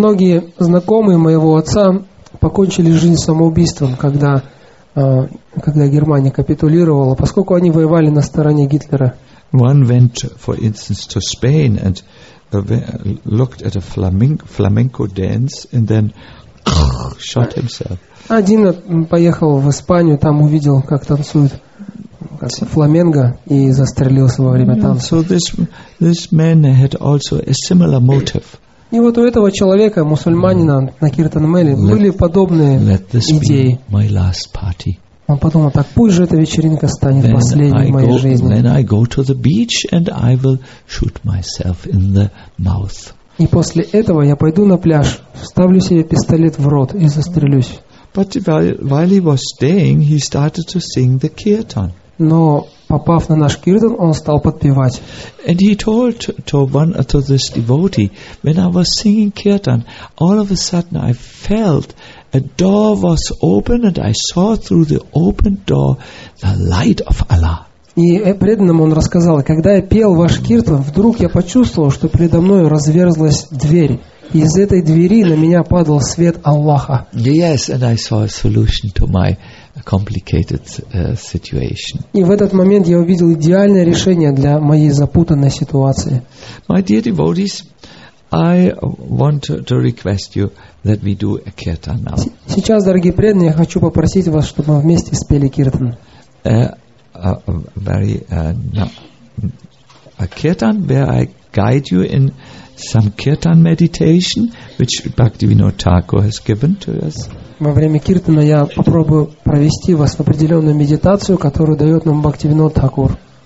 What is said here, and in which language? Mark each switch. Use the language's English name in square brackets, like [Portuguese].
[Russian] Многие знакомые моего отца покончили жизнь самоубийством, когда Германия капитулировала, поскольку они воевали на стороне Гитлера. [English] One went, for instance, to Spain and looked at a flamenco dance and then shot himself. [Russian] Один поехал в Испанию, там увидел, как танцуют фламенго, и застрелился во время танца. [English] So this man had also a similar motive. [Russian] И вот у этого человека, мусульманина на Киртан-Мэле, были подобные идеи. [English] My last party. [Russian] Он подумал, так пусть же эта вечеринка станет [English] then [Russian] последней в моей жизни. [English] Then I go to the beach and I will shoot myself in the mouth. [Russian] И после этого я пойду на пляж, вставлю себе пистолет в рот и застрелюсь. [English] But while he was staying, he started to sing the kirtan. [Russian] Но попав на наш киртан, он стал подпевать. [English] And he told to this devotee, when I was singing kirtan, all of a sudden I felt a door was open and I saw through the open door the light of Allah. [Russian] И преданному он рассказал, когда я пел ваш киртан, вдруг я почувствовал, что передо мной разверзлась дверь. Из этой двери на меня падал свет Аллаха. [English] Yes, and I saw a solution to my complicated situation. [Russian] И в этот момент я увидел идеальное решение для моей запутанной ситуации. [English] My dear devotees, I want to request you that we do a kirtan now. [Russian] Сейчас, дорогие преданные, я хочу попросить вас, чтобы мы вместе спели киртан. [English] A kirtan where I guide you in some kirtan meditation which Bhaktivinoda Thakur has given to us. [Russian] Во время киртана я попробую провести вас в определенную медитацию, которую дает нам Бхактивинода Тхакур.